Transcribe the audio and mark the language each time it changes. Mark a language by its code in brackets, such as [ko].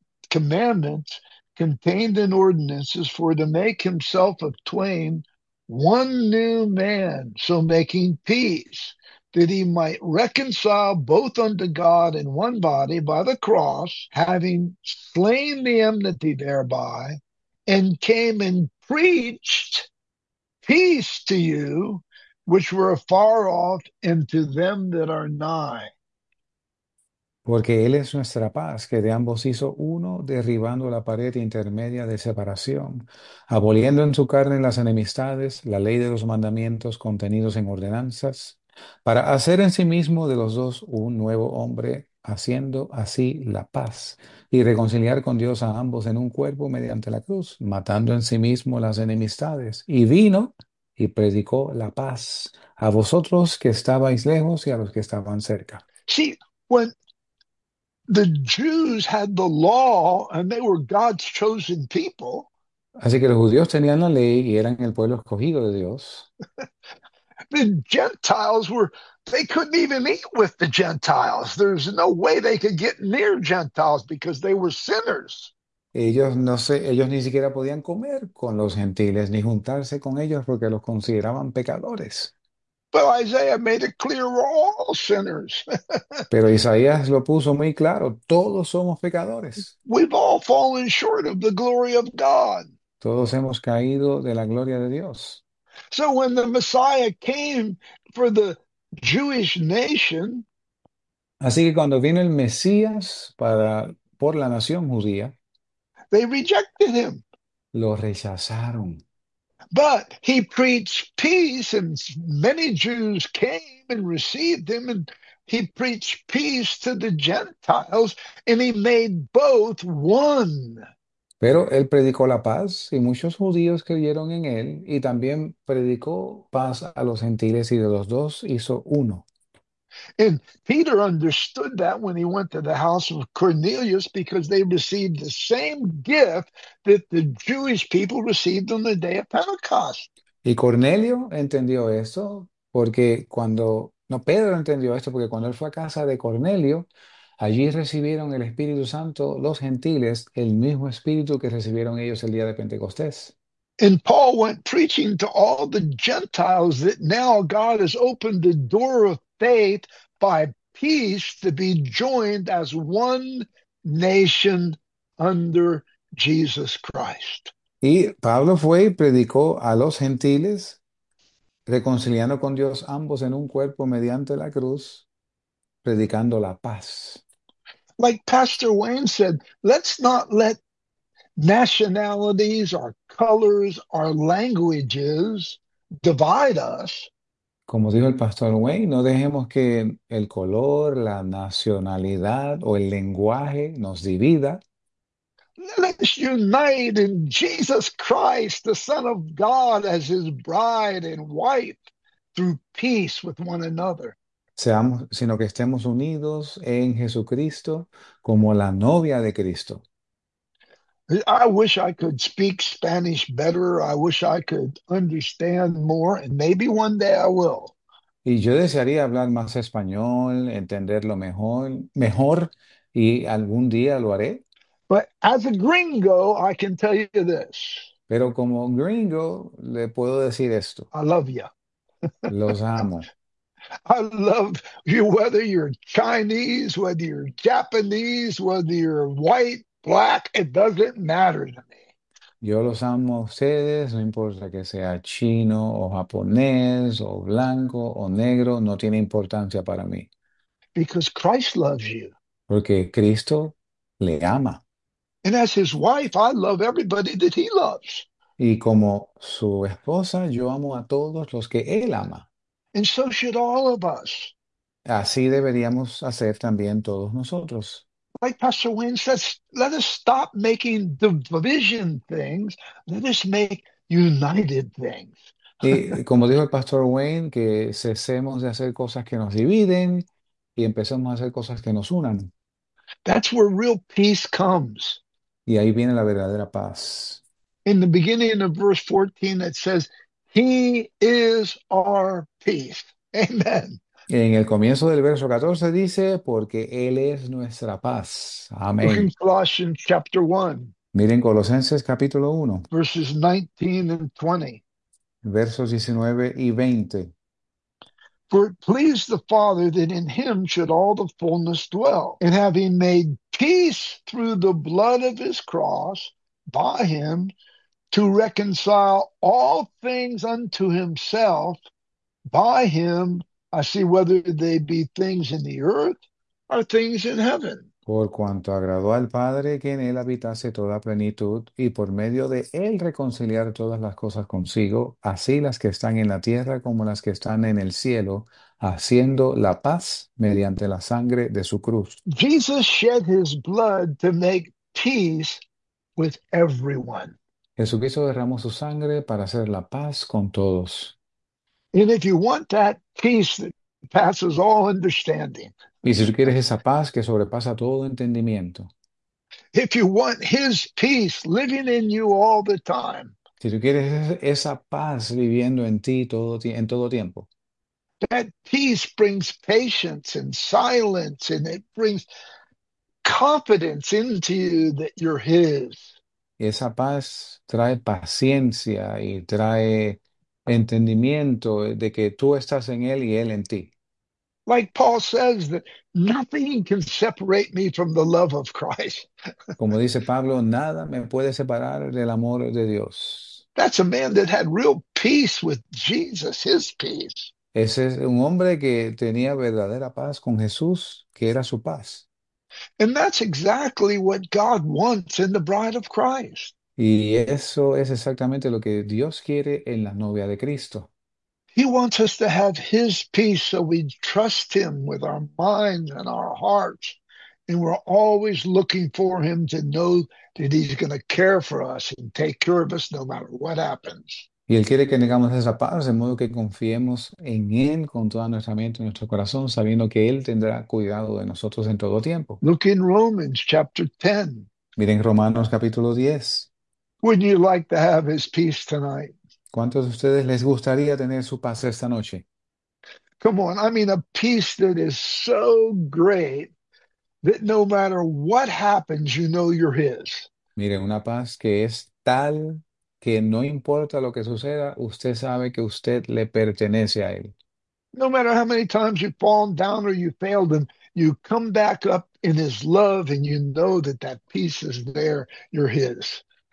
[en] commandments contained in ordinances, for to make himself of twain one new man, so making peace, that he might reconcile both unto God in one body by the cross, having slain the enmity thereby, and came and preached peace to you which were afar off and to them that are nigh. [es] Porque Él es nuestra paz, que de ambos hizo uno, derribando la pared intermedia de separación, aboliendo en su carne las enemistades, la ley de los mandamientos contenidos en ordenanzas, para hacer en sí mismo de los dos un nuevo hombre, haciendo así la paz, y reconciliar con Dios a ambos en un cuerpo mediante la cruz, matando en sí mismo las enemistades. Y vino y predicó la paz a vosotros que estabais lejos y a los que estaban cerca. [en] See, when The Jews had the law and they were God's chosen people. [es] Así que los judíos tenían la ley y eran el pueblo escogido de Dios. [en] The Gentiles were, they couldn't even eat with the Gentiles. There's no way they could get near Gentiles because they were sinners. [es] Ellos no sé, ellos ni siquiera podían comer con los gentiles ni juntarse con ellos porque los consideraban pecadores. [en] But Isaiah made it clear we're all sinners. [es] Pero Isaías lo puso muy claro, todos somos pecadores. [en] We've all fallen short of the glory of God. [es] Todos hemos caído de la gloria de Dios. [en] So when the Messiah came for the Jewish nation, [es] Así que cuando vino el Mesías por la nación judía, [en] they rejected him. [es] lo rechazaron. [en] But he preached peace, and many Jews came and received him, and he preached peace to the Gentiles, and he made both one. [es] Pero él predicó la paz y muchos judíos creyeron en él y también predicó paz a los gentiles y de los dos hizo uno. [en] And Peter understood that when he went to the house of Cornelius because they received the same gift that the Jewish people received on the day of Pentecost. [es] Y Cornelio entendió eso porque cuando, no, Pedro entendió esto porque cuando él fue a casa de Cornelio, allí recibieron el Espíritu Santo, los gentiles, el mismo Espíritu que recibieron ellos el día de Pentecostés. [en] And Paul went preaching to all the Gentiles that now God has opened the door of faith by peace to be joined as one nation under Jesus Christ. [es] Y Pablo fue y predicó a los gentiles, reconciliando con Dios ambos en un cuerpo mediante la cruz, predicando la paz. [en] Like Pastor Wayne said, let's not let nationalities, our colors, our languages divide us. [es] Como dijo el pastor Wayne, no dejemos que el color, la nacionalidad o el lenguaje nos divida. [en] Let's unite in Jesus Christ, the Son of God, as his bride and wife through peace with one another. [es] Seamos, sino que estemos unidos en Jesucristo como la novia de Cristo. [en] I wish I could speak Spanish better. I wish I could understand more, and maybe one day I will. [es] Y yo desearía hablar más español, entenderlo mejor, y algún día lo haré. [en] But as a gringo, I can tell you this. [es] Pero como gringo, le puedo decir esto. [en] I love you. [es] Los amo. [en] I love you, whether you're Chinese, whether you're Japanese, whether you're white, black, it doesn't matter to me. [es] Yo los amo a ustedes, no importa que sea chino o japonés o blanco o negro, no tiene importancia para mí. [en] Because Christ loves you. [es] Porque Cristo le ama. [en] And as his wife, I love everybody that he loves. [es] Y como su esposa, yo amo a todos los que él ama. [en] And so should all of us. [es] Así deberíamos hacer también todos nosotros. [en] Like Pastor Wayne says, let us stop making division things. Let us make united things. [es] Y como dijo el pastor Wayne, que cesemos de hacer cosas que nos dividen y empecemos a hacer cosas que nos unan. [en] That's where real peace comes. [es] Y ahí viene la verdadera paz. [en] In the beginning of verse 14, it says, He is our peace. Amen. [es] Y en el comienzo del verso 14 dice, porque Él es nuestra paz. [en] Look in [es] Amén. [en] Colossians chapter 1, [es] Miren Colosenses capítulo 1. [en] verses 19 and 20. [es] Versos 19 y 20. [en] For it pleased the Father that in him should all the fullness dwell, and having made peace through the blood of his cross, by him to reconcile all things unto himself, by him, I see whether they be things in the earth or things in heaven. [es] Por cuanto agradó al Padre que en él habitase toda plenitud y por medio de él reconciliar todas las cosas consigo, así las que están en la tierra como las que están en el cielo, haciendo la paz mediante la sangre de su cruz. [en] Jesus shed his blood to make peace with everyone. [es] Jesucristo derramó su sangre para hacer la paz con todos. [en] And if you want that peace that passes all understanding. [es] Y si tú quieres esa paz que sobrepasa todo entendimiento, [en] If you want his peace living in you all the time, [es] si tú quieres esa paz viviendo en ti todo, en todo tiempo, [en] that peace brings patience and silence, and it brings confidence into you that you're his. [es] esa paz trae paciencia y trae entendimiento de que tú estás en él y él en ti. [en] Like Paul says, that nothing can separate me from the love of Christ. [es] Como dice Pablo, nada me puede separar del amor de Dios. [en] That's a man that had real peace with Jesus, his peace. [es] Ese es un hombre que tenía verdadera paz con Jesús, que era su paz. [en] And that's exactly what God wants in the bride of Christ. [es] Y eso es exactamente lo que Dios quiere en la novia de Cristo. [en] He wants us to have his peace so we trust him with our minds and our hearts. And we're always looking for him to know that he's going to care for us and take care of us no matter what happens. [es] Y Él quiere que tengamos esa paz, de modo que confiemos en Él con toda nuestra mente y nuestro corazón, sabiendo que Él tendrá cuidado de nosotros en todo tiempo. [en] Look in Romans chapter 10. [es] Miren Romanos capítulo 10. [en] Would you like to have his peace tonight? [es] ¿Cuántos de ustedes les gustaría tener su paz esta noche? [en] Come on, I mean a peace that is so great that no matter what happens, you know you're his. [es] Miren, una paz que es tal que no importa lo que suceda, usted sabe que usted le pertenece a él. [en] No matter how many times you've fallen down or you failed him, you come back up in his love and you know that that peace is there, you're his.